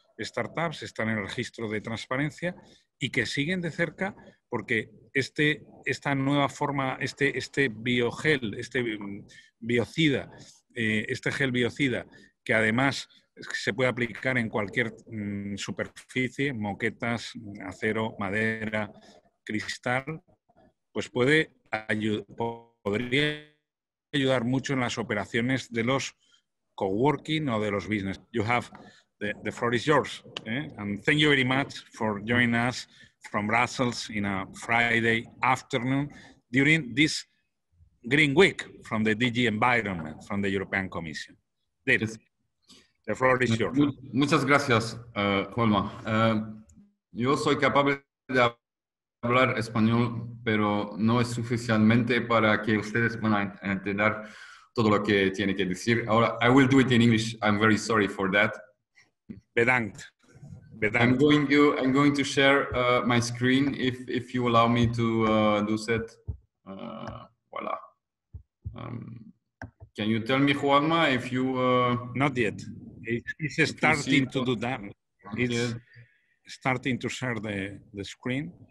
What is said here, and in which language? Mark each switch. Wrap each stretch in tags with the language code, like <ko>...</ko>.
<es>startups, están en el registro de transparencia y que siguen de cerca porque esta nueva forma, este biogel, este biocida, este gel biocida, que además se puede aplicar en cualquier superficie, moquetas, acero, madera, cristal, pues podría ayudar mucho en las operaciones de los coworking o de los business.</es> <en>You have the floor is yours. And thank you very much for joining us from Brussels in a Friday afternoon during this Green Week from the DG Environment, from the European Commission. David, the floor is yours.</en> <es>Muchas gracias, Juanma. Yo soy capaz de hablar español, pero no es suficientemente para que ustedes puedan entender todo lo que tiene que decir. Ahora,</es> <en>I will do it in English. I'm very sorry for that.</en> <nl>Bedankt.</nl> <en>I'm going to share my screen if you allow me to do that.</en> <fr>Voilà.</fr> <en>Can you tell me, Juanma, if you... Not yet. It's starting to do that. It's starting to share the screen.</en>